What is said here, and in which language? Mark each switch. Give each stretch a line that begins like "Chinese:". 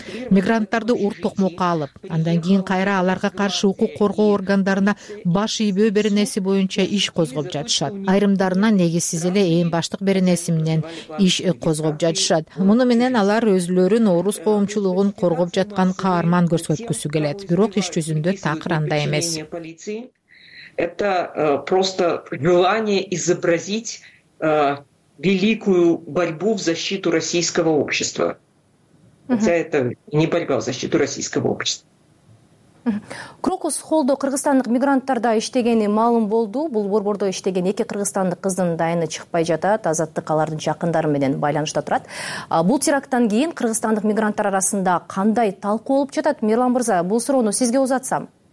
Kyrgyz: Мигранттарды ур токмокко алып, андан кийин кайра аларга каршы укук коргоо органдарына баш ийбөө беренеси боюнча иш козгоп жатышат. Айрымдарына негизсиз эле ээн баштык беренеси менен иш козгоп жатышат. Муну менен алар өзлөрүн орус коомчулугун коргоп жаткан каарман көрсөткүсү келет. Бирок иш жүзүндө такыр андай эмес.
Russian: Полиции. Это просто желание изобразить великую борьбу в защиту российского общества. Хотя это не борьба в защиту российского общества.
Kyrgyz: Крокус Холлдо кыргызстандык мигранттарда иштегени маалым болду. Бул борбордо иштеген эки кыргызстандык кыздын дайыны чыкпай жатат. Азаттык алардын жакындары менен байланышта турат. Бул терактан кийин кыргызстандык мигранттар арасында кандай талкуу болуп жатат? Мирлан Мырза, бул суроону сизге узатсам.